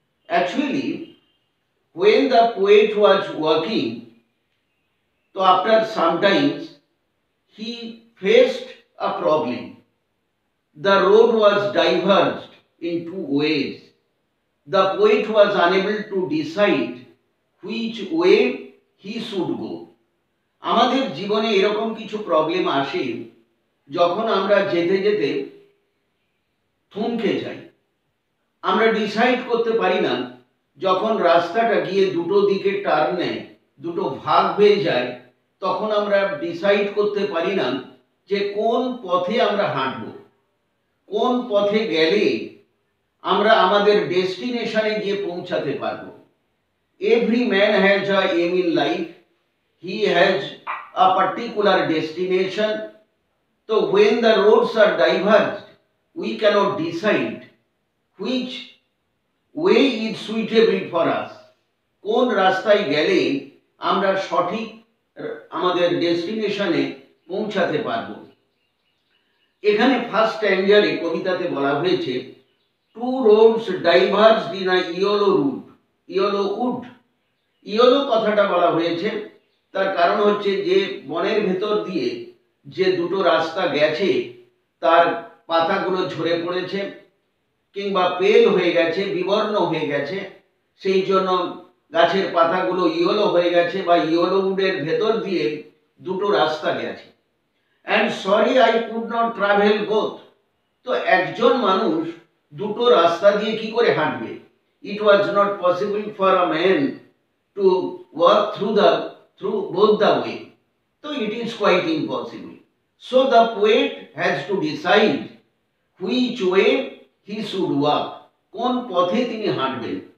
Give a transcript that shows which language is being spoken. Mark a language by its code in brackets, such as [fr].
[en] Actually, when the poet was walking, so after some time, he faced a problem. The road was diverged in two ways. The poet was unable to decide which way he should go. [bn] আমাদের জীবনে এরকম কিছু problem আসে যখন আমরা যেতে যেতে থমকে যাই। আমরা ডিসাইড করতে পারি না, যখন রাস্তাটা গিয়ে দুটো দিকে টার্ন নেয়, দুটো ভাগ হয়ে যায়, তখন আমরা ডিসাইড করতে পারি না যে কোন পথে আমরা হাঁটব, কোন পথে গেলে আমরা আমাদের ডেস্টিনেশনে গিয়ে পৌঁছাতে পারব। [en] Every man has a aim in life, he has a particular destination. তো when the roads are diverged, we cannot decide which way is suitable for us, [bn] কোন রাস্তায় গেলে আমরা সঠিক আমাদের ডেস্টিনেশনে পৌঁছাতে পারব। এখানে ফার্স্ট স্ট্যানজারে কবিতাতে বলা হয়েছে, [en] two roads diverged in a yellow wood. [bn] Yellow wood, yellow কথাটা বলা হয়েছে, তার কারণ হচ্ছে যে বনের ভেতর দিয়ে যে দুটো রাস্তা গেছে তার পাতাগুলো ঝরে পড়েছে কিংবা পেল হয়ে গেছে, বিবর্ণ হয়ে গেছে, সেই জন্য গাছের পাতাগুলো yellow হয়ে গেছে, বা yellow উডের ভেতর দিয়ে দুটো রাস্তা গেছে। [en] And sorry I could not travel both. [bn] তো একজন মানুষ দুটো রাস্তা দিয়ে কি করে হাঁটবে? [en] It was not possible for a man to work through both the way, তো it is quite impossible. So the poet has to decide which way he should walk, [bn] কোন পথে তিনি হাঁটবেন।